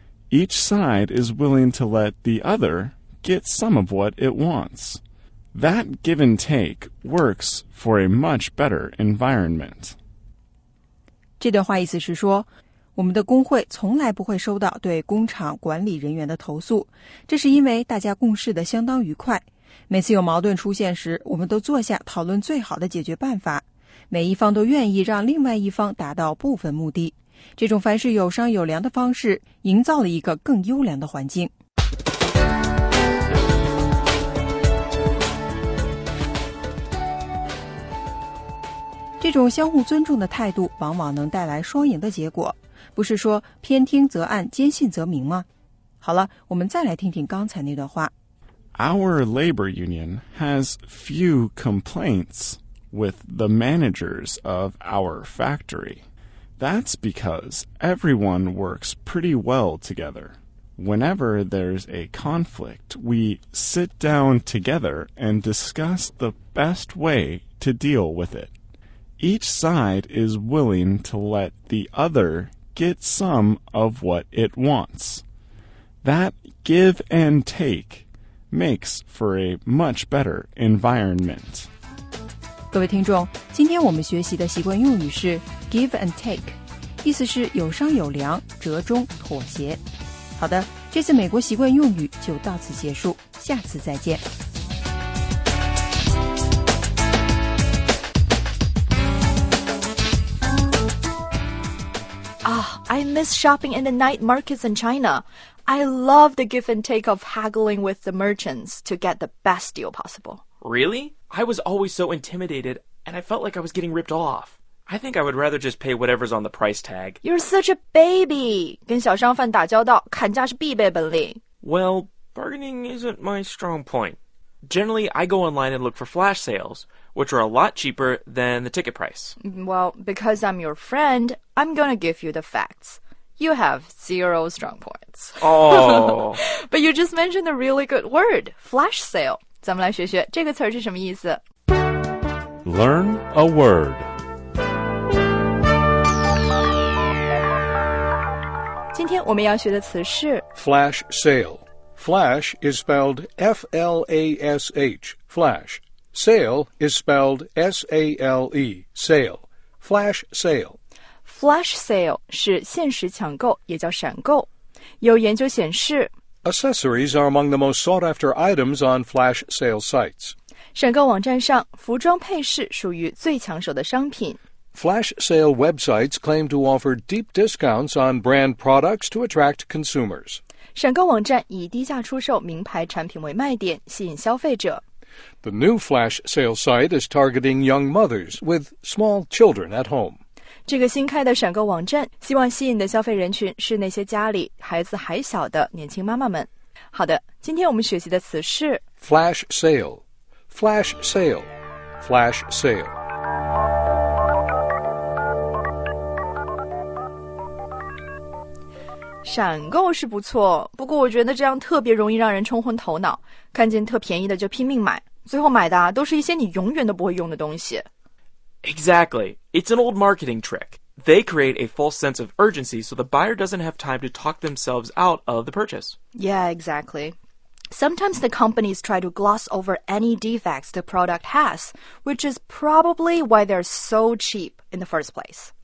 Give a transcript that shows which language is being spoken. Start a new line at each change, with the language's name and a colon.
English: Each side is willing to let the other get some of what it wants. That give and take works for a much better environment.
Chinese: 这段话意思是说，我们的工会从来不会收到对工厂管理人员的投诉，这是因为大家共事的相当愉快。每次有矛盾出现时，我们都坐下讨论最好的解决办法，每一方都愿意让另外一方达到部分目的。这种凡事有商有量的方式，营造了一个更优良的环境。这种相互尊重的态度往往能带来双赢的结果，不是说偏听则暗，坚信则明吗？好了，我们再来听听刚才那段话。 Our labor union has few complaints with the managers of our factory. That's because everyone works pretty well together. Whenever there's a conflict, we sit down together and discuss the best way to deal with it. Each side is willing to let the other get some of what it wants. That give and take makes for a much better environment. 各位听众，今天我们学习的习惯用语是 give and take， 意思是有商有量，折中妥协。好的，这次美国习惯用语就到此结束，下次再见。
English: I miss shopping in the night markets in China. I love the give and take of haggling with the merchants to get the best deal possible. Really? I was always so intimidated, and I felt like I was getting ripped off. I think I would rather just pay whatever's on the price tag. You're such a baby!
Chinese: 跟小商贩打交道，砍价是必备本领。
English: Well, bargaining isn't my strong point. Generally, I go online and look for flash sales,which are a lot cheaper than the ticket price. Well, because I'm your friend, I'm going to give you the facts. You have zero strong points. Oh. But you just mentioned a really good word, flash sale.
Chinese: 咱们来学学这个词是什么意思。
English: Learn a word.
Chinese: 今天我们要学的词是
English: flash sale. Flash is spelled F-L-A-S-H, flash. Sale is spelled S-A-L-E, sale, flash sale.
Chinese: Flash sale 是限时抢购，也叫闪购。有研究显示
English: ,Accessories are among the most sought after items on flash sale sites.
Chinese: 闪购网站上，服装配饰属于最抢手的商品。
English: Flash sale websites claim to offer deep discounts on brand products to attract consumers.
Chinese: 闪购网站以低价出售名牌产品为卖点，吸引消费者。
English: The new flash sale site is targeting young mothers with small children at home.
Chinese: 这个新开的闪购网站希望吸引的消费人群是那些家里孩子还小的年轻妈妈们。好的，今天我们学习的词是
English: flash sale, flash sale, flash sale.
Chinese: 闪购是不错，不过我觉得这样特别容易让人冲昏头脑，看见特便宜的就拼命买，最后买的都是一些你永远都不会用的东西。
English: Exactly. It's an old marketing trick. They create a false sense of urgency so the buyer doesn't have time to talk themselves out of the purchase. Yeah, exactly. Sometimes the companies try to gloss over any defects the product has, which is probably why they're so cheap in the first place.